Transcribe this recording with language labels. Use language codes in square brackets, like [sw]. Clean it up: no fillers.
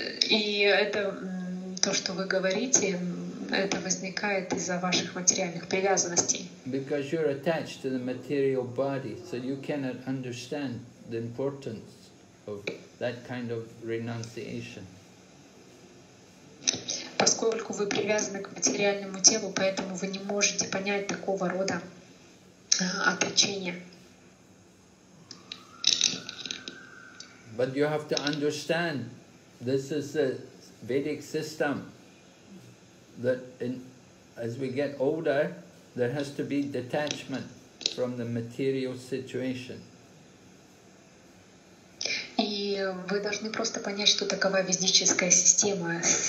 [ru] И это то, что вы говорите, это возникает из-за ваших материальных привязанностей. [en] Because you're attached to the material body, so you cannot understand the importance of that kind of renunciation. [ru] Поскольку вы привязаны к материальному телу, поэтому вы не можете понять такого рода отречения. [en] But you have to understand, this is the Vedic system, that as we get older, there has to be detachment from the material situation. [ru] И вы должны просто понять, что такова ведическая система.